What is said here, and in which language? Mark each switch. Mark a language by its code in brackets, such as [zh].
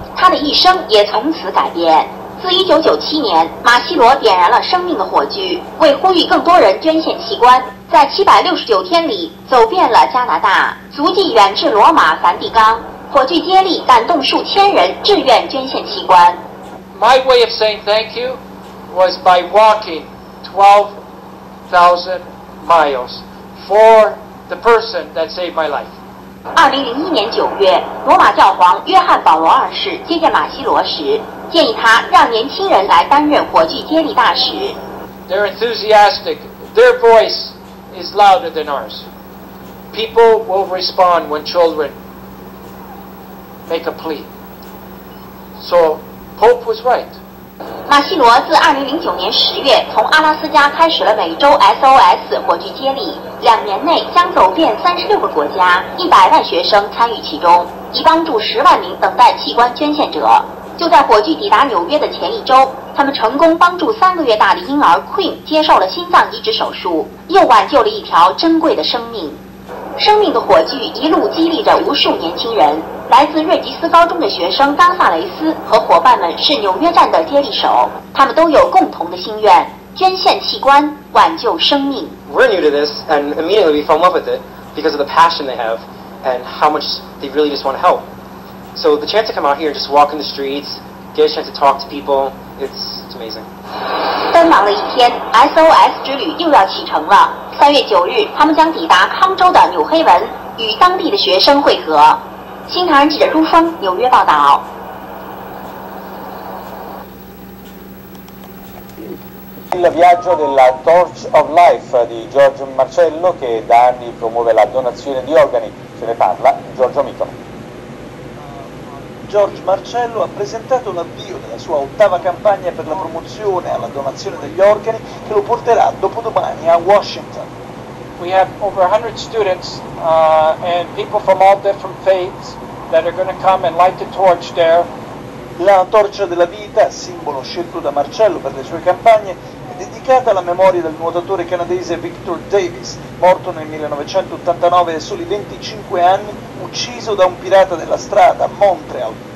[zh] 他的一生也从此改变。自1997年，马西罗点燃了生命的火炬，为呼吁更多人捐献器官，在769天里走遍了加拿大，足迹远至罗马、梵蒂冈，火炬接力感动数千人志愿捐献器官。 [en] My way of saying thank you was by walking 12,000 miles for the person that saved my life. [zh] 2001年9月，罗马教皇约翰·保罗二世接见马西罗时建议他让年轻人来担任火炬接力大使。 [en] They're enthusiastic. Their voice is louder than ours. People will respond when children make a plea. So Pope was right. [zh] 马西罗自2009年10月从阿拉斯加开始了美洲 SOS 火炬接力，两年内将走遍36个国家，100万学生参与其中，以帮助10万名等待器官捐献者。就在火炬抵达纽约的前一周，他们成功帮助三个月大的婴儿 Queen 接受了心脏移植手术，又挽救了一条珍贵的生命。生命的火炬一路激励着无数年轻人。来自瑞吉斯高中的学生冈萨雷斯和伙伴们是纽约站的接力手，他们都有共同的心愿：捐献器官，挽救生命。 [en] We're new to this, and immediately we fell in love with it because of the passion they have and how much they really just want to help. So the chance to come out here and just walk in the streets, get a chance to talk to people, it's amazing. [zh] 繁忙了一天 ,SOS 之旅又要启程了。3月9日他们将抵达康州的纽黑文与当地的学生会合。新唐人记者朱峰纽约报道。 [it] Il viaggio della Torch of Life di Giorgio Marcello che da anni promuove la donazione di organi, ce ne parla Giorgio Mito. George Marcello ha presentato l'avvio della sua 8ª campagna per la promozione alla donazione degli organi che lo porterà dopodomani a Washington. [en] We have over 100 students and people from all different faiths that are going to come and light the torch there. [it] La torcia della vita, simbolo scelto da Marcello per le sue campagne, è dedicata alla memoria del nuotatore canadese Victor Davis, morto nel 1989 a soli 25 anni, ucciso da un pirata della strada a Montreal.